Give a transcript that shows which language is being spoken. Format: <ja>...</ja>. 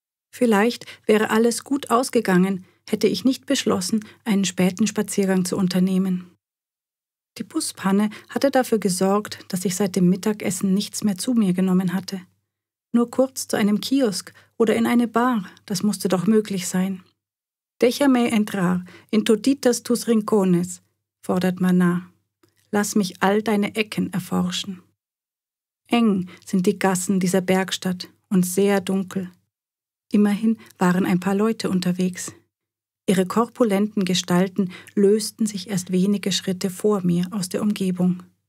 <de>Vielleicht wäre alles gut ausgegangen, hätte ich nicht beschlossen, einen späten Spaziergang zu unternehmen. Die Buspanne hatte dafür gesorgt, dass ich seit dem Mittagessen nichts mehr zu mir genommen hatte. Nur kurz zu einem Kiosk oder in eine Bar, das musste doch möglich sein.</de> <es>Déjame entrar en toditas tus rincones,</es> <de>fordert</de> <es>Maná.</es> <de>Lass mich all deine Ecken erforschen. Eng sind die Gassen dieser Bergstadt und sehr dunkel. Immerhin waren ein paar Leute unterwegs. Ihre korpulenten Gestalten lösten sich erst wenige Schritte vor mir aus der Umgebung.</de>